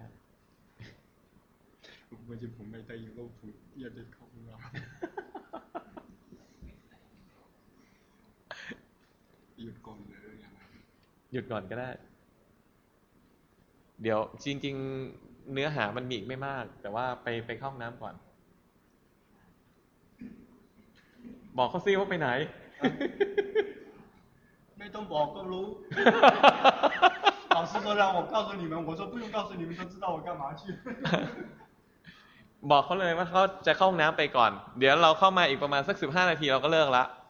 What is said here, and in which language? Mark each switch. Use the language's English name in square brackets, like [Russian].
[Thai] ผมไม่จะผมไม่ได้ยินโลกทุกอยากจะเข้ามาหยุดก่อนเลย หยุดก่อนก็ได้เดี๋ยวจริงๆเนื้อหามันมีอีกไม่มากแต่ว่าไปเข้าห้องน้ำก่อนบอกเขาซิว่าไปไหน ไม่ต้องบอกก็รู้ [Chinese] 老师都让我告诉你们我说不用告诉你们都知道我干嘛去 [Thai] บอกเขาเลยว่าเขาจะเข้าห้องน้ำไปก่อนเดี๋ยวเราเข้ามาอีกประมาณสัก15นาทีเราก็เลิกละ